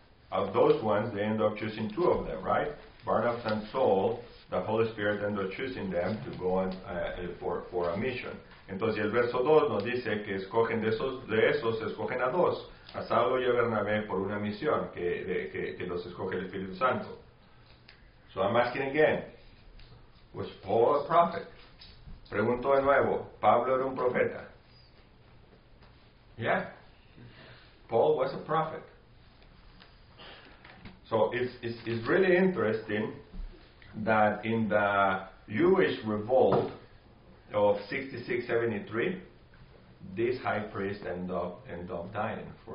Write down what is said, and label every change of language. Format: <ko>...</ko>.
<en>Of those ones, they end up choosing two of them, right? Barnabas and Saul, the Holy Spirit ended up choosing them to go on for a mission.</en> <es>Entonces el verso 2 nos dice que escogen de esos, escogen a dos, a Saulo y a Bernabé por una misión que los escoge el Espíritu Santo.</es> <en>So I'm asking again, was Paul a prophet?</en> <es>Pregunto de nuevo, ¿Pablo era un profeta?</es> <en>Yeah, Paul was a prophet. So it's really interesting that in the Jewish revolt of 66-73, this high priest ended up dying.</en>